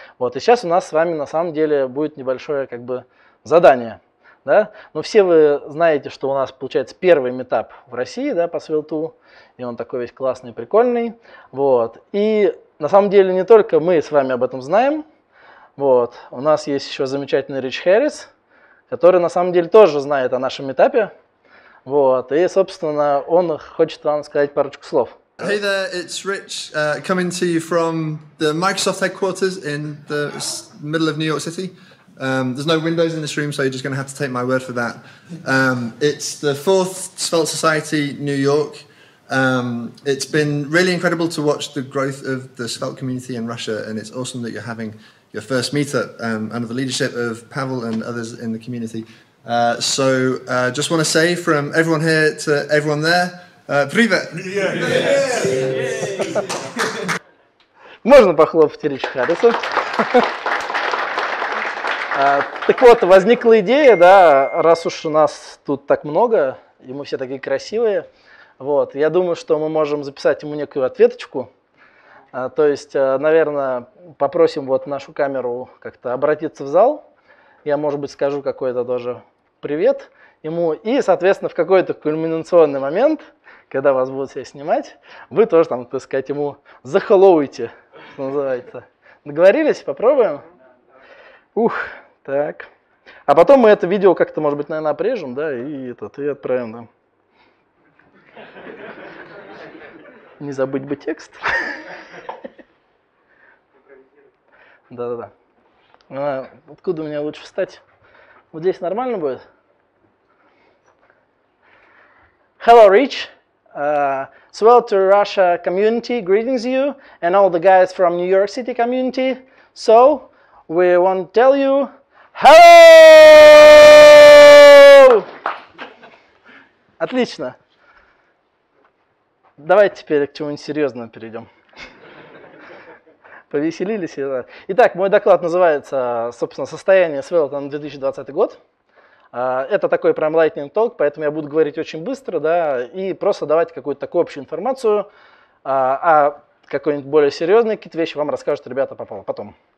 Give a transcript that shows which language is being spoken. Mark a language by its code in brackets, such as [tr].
[ru] Вот, и сейчас у нас с вами на самом деле будет небольшое, как бы, задание, да, но все вы знаете, что у нас получается первый митап в России, да, по свилту, и он такой весь классный, прикольный, вот, и на самом деле не только мы с вами об этом знаем, вот, у нас есть еще замечательный Рич Хэррис, который на самом деле тоже знает о нашем митапе, вот, и, собственно, он хочет вам сказать парочку слов. [en] Hey there, it's Rich, coming to you from the Microsoft headquarters in the middle of New York City. There's no windows in this room, so you're just going to have to take my word for that. It's the fourth Svelte Society New York. It's been really incredible to watch the growth of the Svelte community in Russia, and it's awesome that you're having your first meetup under the leadership of Pavel and others in the community. So just want to say from everyone here to everyone there, [ru] Привет! Можно похлопать Рича Харриса. Так вот, возникла идея, да, раз уж у нас тут так много, и мы все такие красивые, вот, я думаю, что мы можем записать ему некую ответочку, то есть, наверное, попросим вот нашу камеру как-то обратиться в зал, я, может быть, скажу какой-то тоже привет ему, и, соответственно, в какой-то кульминационный момент, когда вас будут себя снимать, вы тоже там, так сказать, ему захеллоуете, что называется. Договорились? Попробуем? Ух! Так. А потом мы это видео как-то, может быть, наверное, обрежем, да, и отправим, да. Не забыть бы текст. Да-да-да. А откуда мне лучше встать? Вот здесь нормально будет? [en] Hello, Rich. Svelte to Russia community greetings you and all the guys from New York City community. So, we want to tell you Hello! [ru] Отлично. Давайте теперь к чему-нибудь серьезному перейдем. Повеселились. Да. Итак, мой доклад называется, собственно, «Состояние Svelte на 2020 год». Это такой прям lightning talk, поэтому я буду говорить очень быстро, да, и просто давать какую-то такую общую информацию, а какой-нибудь более серьезные какие-то вещи вам расскажут ребята потом.